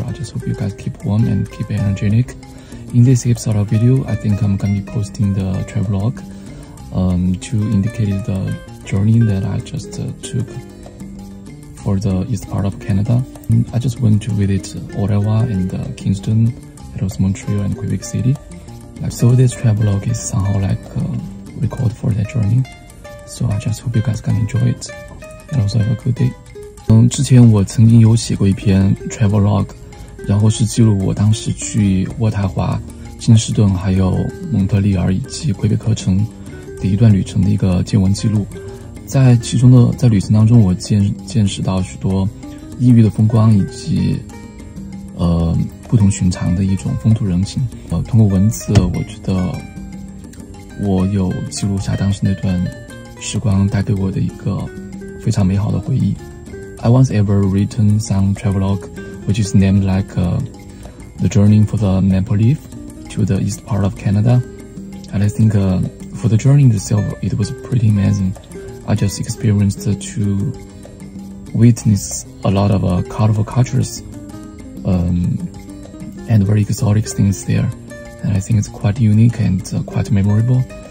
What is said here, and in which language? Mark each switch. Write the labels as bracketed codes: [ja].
[en] I just hope you guys keep warm and keep energetic. In this episode of video, I think I'm going to be posting the travelog to indicate the journey that I just took for the east part of Canada. I just went to visit Ottawa and Kingston, it was Montreal and Quebec City. So this travelog is somehow like record for that journey. So I just hope you guys can enjoy it. And also have a good day. [zh] 之前我曾经有写过一篇 travelog， 然后是记录我当时去渥太华、金士顿还有蒙特利尔以及魁北克城的一段旅程的一个见闻记录。在旅程当中，我见识到许多异域的风光以及不同寻常的一种风土人情。通过文字，我觉得我有记录下当时那段时光带给我的一个非常美好的回忆。 [en] I once ever written some travelogue which is named like the journey for the maple leaf to the east part of Canada, and I think for the journey itself it was pretty amazing. I just experienced to witness a lot of colorful cultures and very exotic things thereAnd I think it's quite unique and quite memorable.